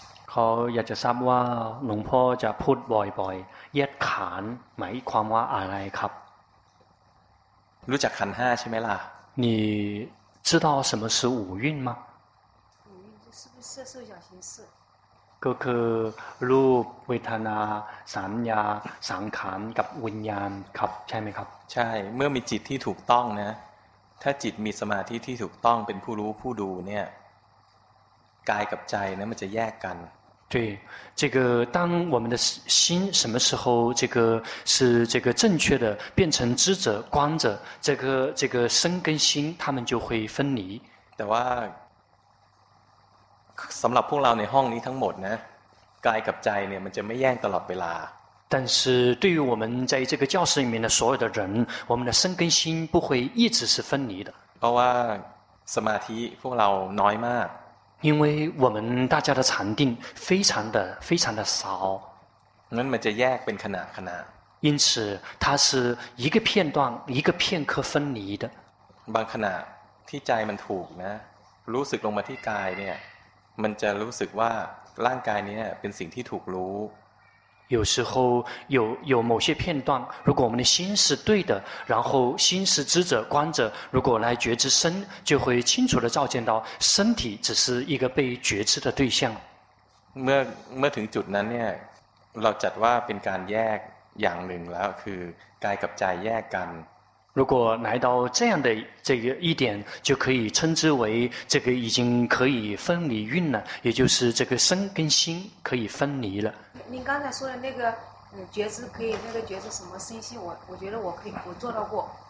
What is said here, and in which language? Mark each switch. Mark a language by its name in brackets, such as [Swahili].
[Thai] เขาอยากจะทราบว่าหลวงพ่อจะพูดบ่อยๆแยกขันหมายความว่าอะไรครับ รู้จักขันห้าใช่ไหมล่ะ [Chinese] 你知道什么是五蕴吗五蕴是不是色受想行识 [Thai] ก็คือรูปเวทนาสัญญาสังขารกับวิญญาณครับใช่ไหมครับ ใช่เมื่อมีจิตที่ถูกต้องนะถ้าจิตมีสมาธิที่ถูกต้องเป็นผู้รู้ผู้ดูเนี่ยกายกับใจนะมันจะแยกกัน [Chinese] 对这个当我们的心什么时候这个是这个正确的变成知者观者这个身跟心他们就会分离 [Thai] แต่ว่าสําหรับพวกเราในห้องนี้ทั้งหมดนะกายกับใจเนี่ยมันจะไม่แย่งตลอดเวลา [Chinese] 但是对于我们在这个教室里面的所有的人我们的身跟心不会一直是分离的 [Thai] เพราะว่าสมาธิพวกเราน้อยมาก [Chinese] 因为我们大家的禅定非常的非常的少 [Thai] นั้นมันจะแยกเป็นขณะขณะ [Chinese] 因此它是一个片段一个片刻分离的 [Thai] บางขณะที่ใจมันถูกนะรู้สึกลงมาที่กายเนี่ยมันจะรู้สึกว่าร่างกายเนี้ยเป็นสิ่งที่ถูกรู้ [Chinese] 有时候 有某些片段，如果我们的心是对的，然后心是知者观者，如果来觉知身，就会清楚地照见到身体只是一个被觉知的对象。 [Thai] เมื่อถึงจุดนั้นเนี่ยเราจัดว่าเป็นการแยกอย่างหนึ่งแล้วคือกายกับใจแยกกัน [Chinese] 如果来到这样的这个一点，就可以称之为这个已经可以分离运了，也就是这个身跟心可以分离了。您刚才说的那个觉知可以那个觉知什么身心，我觉得我可以我做到过。